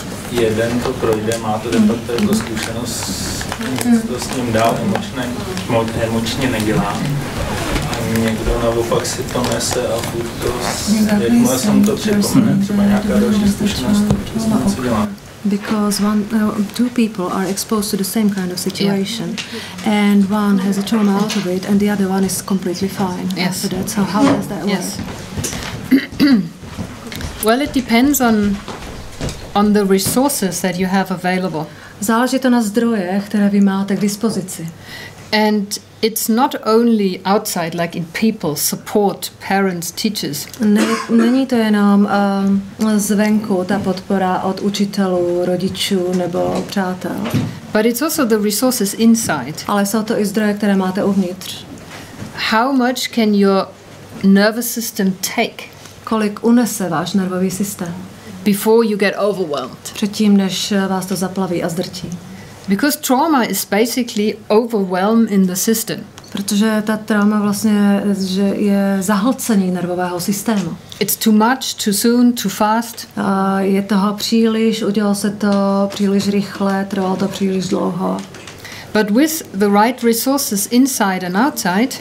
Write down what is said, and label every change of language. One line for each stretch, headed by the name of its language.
Czech: Jeden to projde, má to de facto jako zkušenost, to s ním dál emočně nedělá. Někdo naopak si to nese a furt to, jakmile se mu to připomene, třeba nějaká další zkušenost, to co dělá.
English: Because two people are exposed to the same kind of situation, yeah. And one has a trauma out of it, and the other one is completely fine, yes, after that. So how does that, yes, work? Well, it depends on on the resources that you have available.
Czech: Záleží to na zdrojích, které vy máte k dispozici.
English: And it's not only outside, like in people, support, parents, teachers.
Czech: Není to jenom zvenku, ta podpora od učitelů, rodičů nebo přátel.
English: But it's also the resources inside.
Czech: Ale jsou to i zdroje, které máte uvnitř.
English: How much can your nervous system take?
Czech: Kolik unese váš nervový systém?
English: Before you get overwhelmed.
Czech: Předtím, než vás to zaplaví a zdrtí.
English: Because trauma is basically overwhelm in the system.
Czech: Protože ta trauma vlastně, že je zahlcení nervového systému.
English: It's too much, too soon, too fast.
Czech: Je toho příliš, udělalo se to příliš rychle, trvalo to příliš dlouho.
English: But with the right resources inside and outside.